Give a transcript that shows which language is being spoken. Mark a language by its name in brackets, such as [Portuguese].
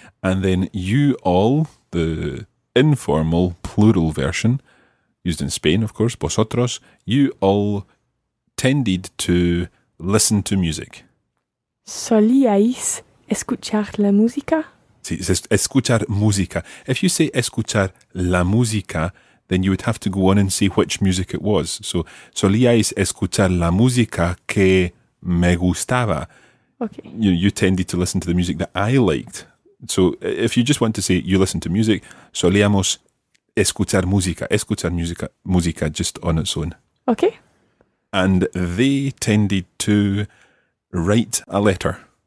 [English] And then you all, the informal plural version, used in Spain, of course, vosotros, you all tended to listen to music. [Spanish] Solíais escuchar la música? [English] Sí, it says [Spanish] escuchar música. [English] If you say [Spanish] escuchar la música, [English] then you would have to go on and see which music it was. [Spanish] So, solíais escuchar la música que me gustaba. [English] Okay. You tended to listen to the music that I liked. So if you just want to say you listen to music, [Spanish] solíamos escuchar música. Escuchar música [English] just on its own. Okay. And they tended to write a letter.